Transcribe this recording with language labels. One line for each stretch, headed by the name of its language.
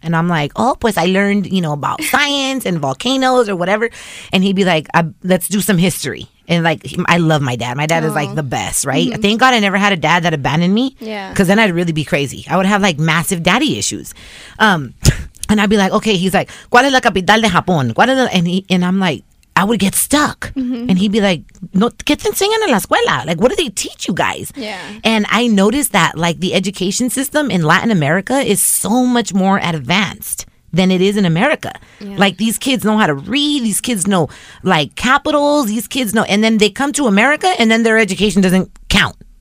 English: And I'm like, oh, pues I learned, you know, about science and volcanoes or whatever. And he'd be like, let's do some history. And, like, I love my dad. My dad is, like, the best, right? Mm-hmm. Thank God I never had a dad that abandoned me. Yeah. Because then I'd really be crazy. I would have, like, massive daddy issues. And I'd be like, okay. He's like,
Spanish: ¿cuál es la capital de Japón?
English: And I'm like, I would get stuck. Mm-hmm. And he'd be like,
Spanish: no, ¿qué te enseñan en la escuela?
English: Like, what do they teach you guys? Yeah. And I noticed that, like, the education system in Latin America is so much more advanced than it is in America. Yeah. Like, these kids know how to read. These kids know, like, capitals. These kids know. And then they come to America, and then their education doesn't count.